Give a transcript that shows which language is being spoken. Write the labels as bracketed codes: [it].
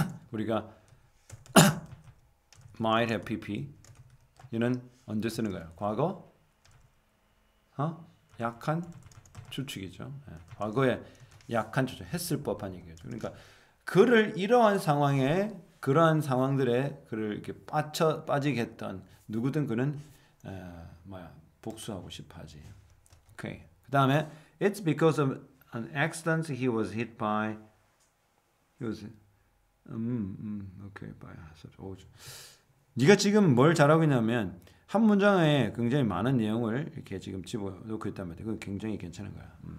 [ko] 우리가 might have pp 이는 언제 쓰는 거야? 과거? 어? 약한 추측이죠. 예. 과거에 약한 추측 했을 법한 얘기죠. 그러니까 그를 이러한 상황에 그러한 상황들에 그를 이렇게 빠지게 했던 누구든 그는 에, 뭐야? 복수하고 싶어하지. 오케이. 그다음에 [en] it's because of an accident he was hit by. He was. [ko] 오케이. 봐야 하죠. 네가 지금 뭘 잘하고 있냐면 한 문장에 굉장히 많은 내용을 이렇게 지금 집어넣고 있단 말이야. 그건 굉장히 괜찮은 거야.